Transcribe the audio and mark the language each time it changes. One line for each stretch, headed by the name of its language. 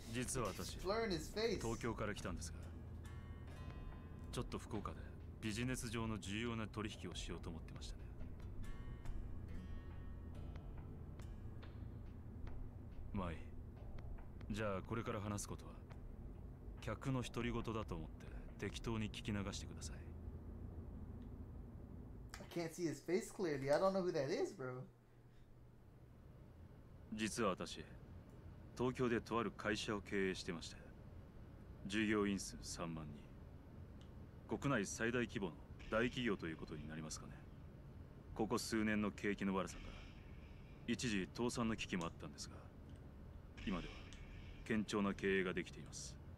Japanese: 実は私、東京から来たんですが、ちょっと福岡でビジネス上の重要な取引をしようと思ってましたね。まあいい。じゃあこれから話すことは客の独り言だと思って適当に聞き流してください。
English: Can't see his face clearly. I don't know who that is, bro.
Japanese: 実は私、東京でとある会社を経営してました。従業員数3万人。国内最大規模の大企業ということになりますかね。ここ数年の景気の悪さから、一時倒産の危機もあったんですが、今では堅調な経営ができています。